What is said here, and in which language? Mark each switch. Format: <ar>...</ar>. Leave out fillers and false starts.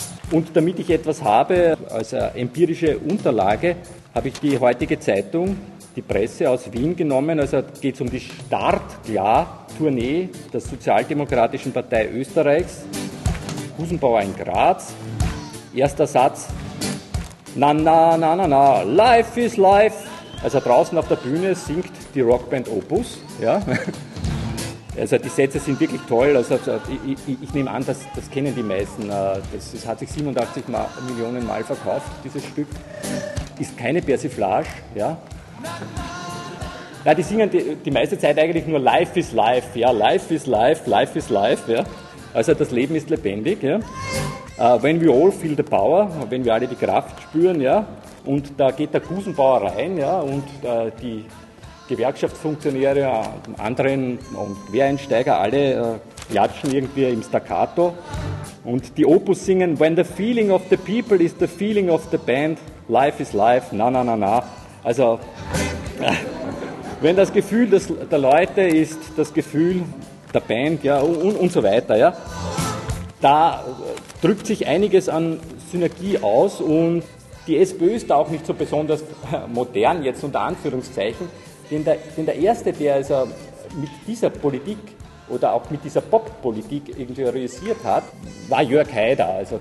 <de>Und damit ich etwas habe, als empirische Unterlage, habe ich die heutige Zeitung, die Presse aus Wien genommen. Also geht es um die Startklar-Tournee der Sozialdemokratischen Partei Österreichs. Husenbauer in Graz. Erster Satz. Na, na, na, na, na, life is life. Also draußen auf der Bühne singt die Rockband Opus. Ja. Also die Sätze sind wirklich toll. Also ich nehme an, das kennen die meisten. Das hat sich 87 Millionen Mal verkauft, dieses Stück. Ist keine Persiflage. Ja. Ja, die singen die meiste Zeit eigentlich nur Life is life, ja,</de> <en>life is life, life is life,</en> <de>ja. Also das Leben ist lebendig, ja.</de> <en>When we all feel the power,</en> <de>wenn wir alle die Kraft spüren, ja. Und da geht der Gusenbauer rein, ja, und die Gewerkschaftsfunktionäre, anderen und Quereinsteiger, alle klatschen irgendwie im Staccato. Und die Opus singen,</de> <en>when the feeling of the people is the feeling of the band, life is life,</en> <de>na, na, na, na. Also, wenn das Gefühl der Leute ist, das Gefühl der Band, ja, und so weiter, ja, da drückt sich einiges an Synergie aus und die SPÖ ist da auch nicht so besonders modern, jetzt unter Anführungszeichen, denn der Erste, der also mit dieser Politik oder auch mit dieser Pop-Politik irgendwie realisiert hat, war Jörg Haider.</de>